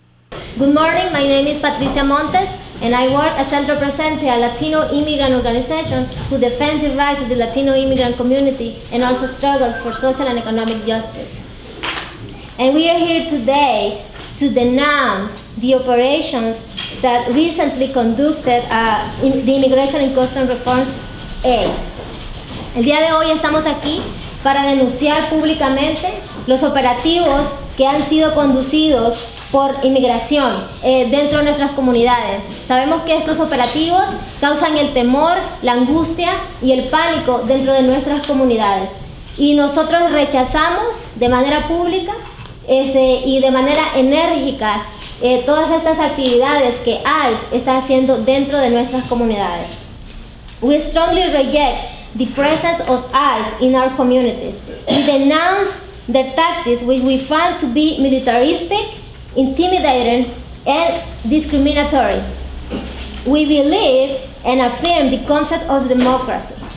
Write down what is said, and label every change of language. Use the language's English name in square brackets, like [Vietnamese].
[English] Good morning, my name is Patricia Montes, and I work at Centro Presente, a Latino immigrant organization who defends the rights of the Latino immigrant community and also struggles for social and economic justice. And we are here today to denounce the operations that recently conducted the Immigration and Customs Reforms ACE. [Spanish] El día de hoy estamos aquí para denunciar públicamente los operativos que han sido conducidos por inmigración dentro de nuestras comunidades. Sabemos que estos operativos causan el temor, la angustia y el pánico dentro de nuestras comunidades. Y nosotros rechazamos de manera pública y de manera enérgica todas estas actividades que ICE está haciendo dentro de nuestras comunidades. [English] We strongly reject the presence of ICE in our communities. We denounce their tactics, which we find to be militaristic, intimidating, and discriminatory. We believe and affirm the concept of democracy.